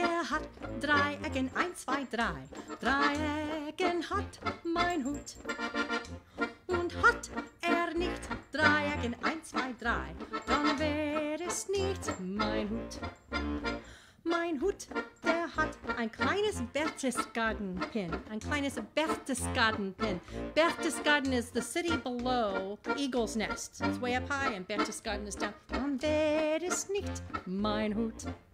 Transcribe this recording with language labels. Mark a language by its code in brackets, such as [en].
[de] Hat, Dreiecken, ein, zwei, drei. Dreiecken hat mein Hut. Und hat nicht Dreiecken, ein, zwei, drei, dann wär es nicht mein Hut. Mein Hut, hat ein kleines Berchtesgaden-Pin. Ein kleines Berchtesgaden-Pin. [en] Berchtesgaden is the city below Eagle's Nest. It's way up high and Berchtesgaden is down. [de] Dann wär es nicht mein Hut.